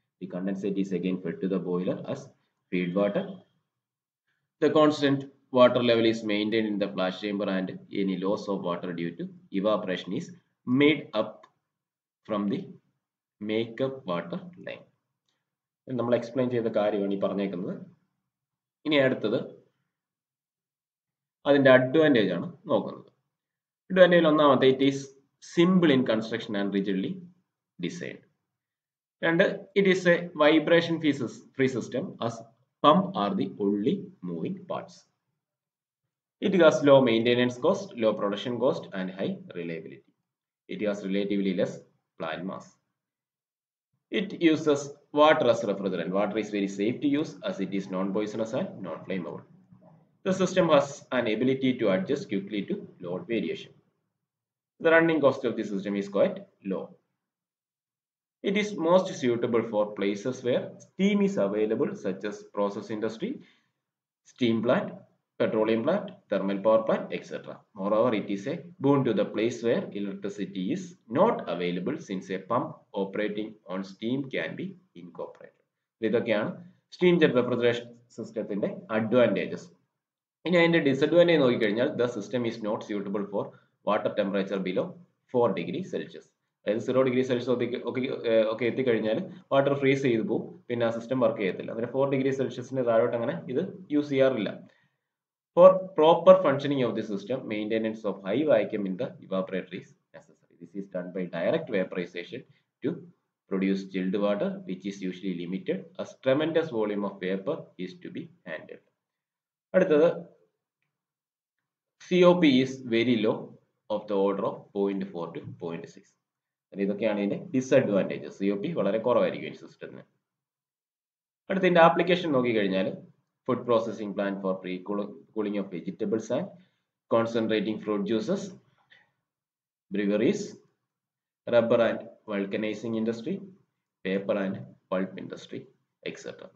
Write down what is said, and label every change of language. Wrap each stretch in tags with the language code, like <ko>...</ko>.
<en>The condensate is again fed to the boiler as feed water. The constant water level is maintained in the flash chamber, and any loss of water due to evaporation is made up from the makeup water line.</en> <ml>നമ്മൾ explain ചെയ്ത കാര്യമാണ് ഈ പറഞ്ഞേക്കുന്നത്. ഇനി അടുത്തത് അതിൻ്റെ advantage ആണ് നോക്കുന്നത്.</ml> <en>advantage</en> <ml>ഒന്നാമത്തെ,</ml> <en>It is simple in construction and rigidly designed.</en> <ml>രണ്ട്,</ml> <en>It is a vibration free system as pump are the only moving parts. It has low maintenance cost, low production cost and high reliability. It has relatively less plant mass. It uses water as refrigerant. Water is very safe to use as it is non poisonous and non flammable. The system has an ability to adjust quickly to load variation. The running cost of the system is quite low. It is most suitable for places where steam is available, such as process industry, steam plant, petroleum plant, thermal power plant, etc. Moreover, it is a boon to the place where electricity is not available, since a pump operating on steam can be incorporated.</en> <ml>ഇതൊക്കെയാണ് steam jet refrigeration സിസ്റ്റത്തിന്റെ advantages. ഇനി അതിൻ്റെ disadvantage നോക്കിക്കഴിഞ്ഞാൽ,</ml> <en>The system is not suitable for water temperature below 4°C.</en> <ml>അതായത് 0°C ഒക്കെ എത്തിക്കഴിഞ്ഞാൽ water freeze ചെയ്ത് പോവും, പിന്നെ ആ സിസ്റ്റം വർക്ക് ചെയ്യത്തില്ല. അങ്ങനെ 4°C താഴോട്ട് അങ്ങനെ ഇത് യൂസ് ചെയ്യാറില്ല.</ml> <en>For proper functioning of the system, maintenance of high vacuum in the evaporator is necessary. This is done by direct vaporisation to produce chilled water, which is usually limited. A tremendous volume of vapour is to be handled.</en> <ml>അടുത്തത്,</ml> <en>COP is very low of the order of 0.4 to 0.6.</en> <ml>ഇതൊക്കെയാണ് ഇതിന്റെ disadvantage. COP വളരെ കുറവായിരിക്കും ഈ സിസ്റ്റത്തിന്. അടുത്ത, ഇതിന്റെ application നോക്കിക്കഴിഞ്ഞാൽ,</ml> <en>Food processing plant for pre cooling of vegetables and concentrating fruit juices, breweries, rubber and vulcanising industry, paper and pulp industry, etcetera.</en>